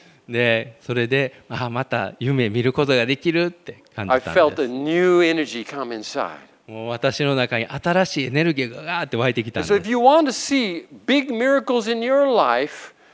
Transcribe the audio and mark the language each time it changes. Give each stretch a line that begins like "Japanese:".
Japanese: で、それで、また夢見ることができるって感じたんです。
English: I felt a new energy come inside.
Japanese: もう私の中に新しいエネルギーがガーって湧いてきたんです。
English: So if you want to see big miracles in your life,